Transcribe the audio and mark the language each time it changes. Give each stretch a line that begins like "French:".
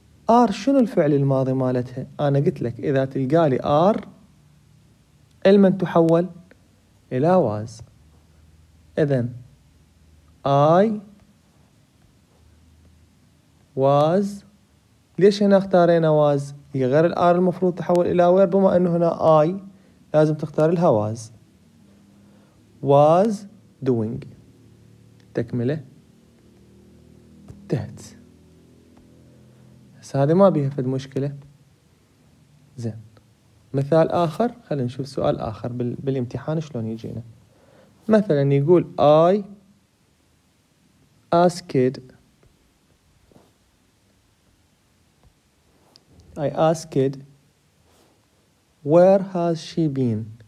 Arabic: آر شنو الفعل الماضي مالتها؟ أنا قلت لك إذا تلقالي آر لمن تحول؟ إلى واز. إذن
English: I was،
Arabic: ليش هنا اختارينا was؟ هي غير الآر المفروض تحول إلى وير، بما أنه هنا I لازم تختار لها was.
English: Was doing
Arabic: تكملة
English: that.
Arabic: هسه هذه ما بيها فد مشكلة. زين مثال آخر، خلينا نشوف سؤال آخر بالامتحان شلون يجينا. مثلا يقول
English: I asked، I asked where has she been.